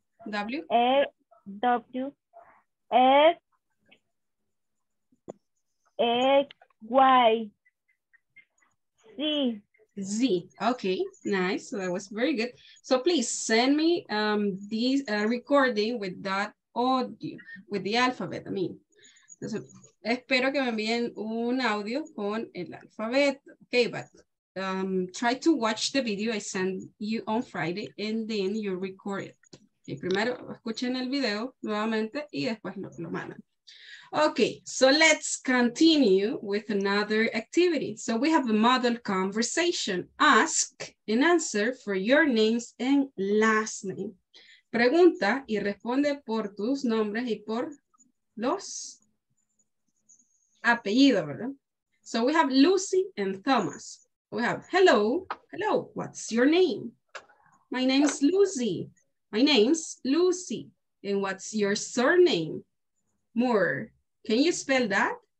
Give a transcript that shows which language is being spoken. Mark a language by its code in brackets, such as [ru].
[en] W A W S A Y C Z. Okay, nice. So that was very good. So please send me this recording with that audio, with the alphabet, I mean. [es] Entonces, espero que me envíen un audio con el alfabeto. [en] Okay, but try to watch the video I send you on Friday and then you record it. [es] Okay, primero escuchen el video nuevamente y después lo mandan. [en] Okay, so let's continue with another activity. So we have a model conversation. Ask and answer for your names and last name. [es] Pregunta y responde por tus nombres y por los apellidos, ¿verdad? [en] So we have Lucy and Thomas. We have, hello, hello, what's your name? My name's Lucy. My name's Lucy. And what's your surname? Moore. Can you spell that?